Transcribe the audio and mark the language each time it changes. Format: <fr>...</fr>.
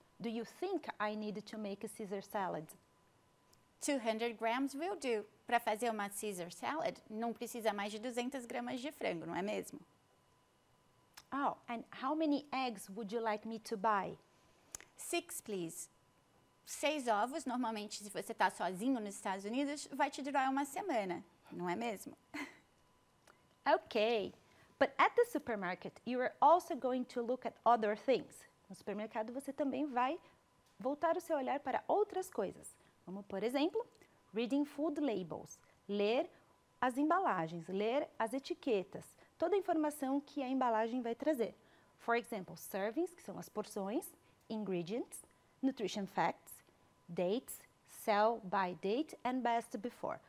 <en>Do you think I need to make a Caesar salad? 200 grams will do.</en> <pt>Para fazer uma Caesar salad, não precisa mais de 200 gramas de frango, não é mesmo?</pt> <en>Oh, and how many eggs would you like me to buy? 6, please.</en> <pt>6 ovos, normalmente, se você está sozinho nos Estados Unidos, vai te durar uma semana, não é mesmo?</pt> <en>Ok. But at the supermarket, you are also going to look at other things.</en> <pt>No supermercado, você também vai voltar o seu olhar para outras coisas. Como, por exemplo,</pt> <en>reading food labels.</en> <pt>Ler as embalagens, ler as etiquetas. Toda a informação que a embalagem vai trazer.</pt> <en>For example, servings,</en> <pt>que são as porções,</pt> <en>ingredients, nutrition facts, dates, sell by date and best before.</en>